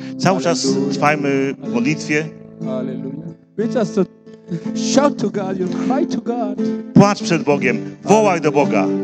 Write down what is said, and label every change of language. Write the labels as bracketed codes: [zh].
[pl] Cały czas trwajmy w modlitwie. [en] Hallelujah. We just shout to God, you cry to God. [pl] Płacz przed Bogiem, wołaj do Boga.